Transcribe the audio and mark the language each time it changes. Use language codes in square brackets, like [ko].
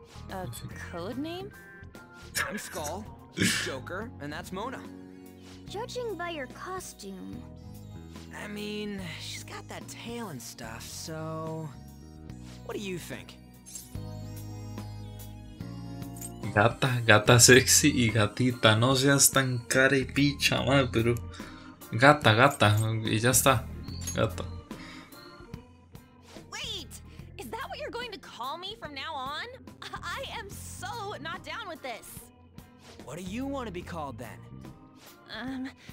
[en] A code name? I'm Skull, Joker, and that's Mona. Judging by your costume, I mean, she's got that tail and stuff, so what do you think? [es] Gata, gata sexy y gatita, no seas tan cara y picha, madre, pero gata, gata, y ya está, gata. [en] Wait, is that what you're going to call me from now on? I am so not down with this. What do you want to be called then?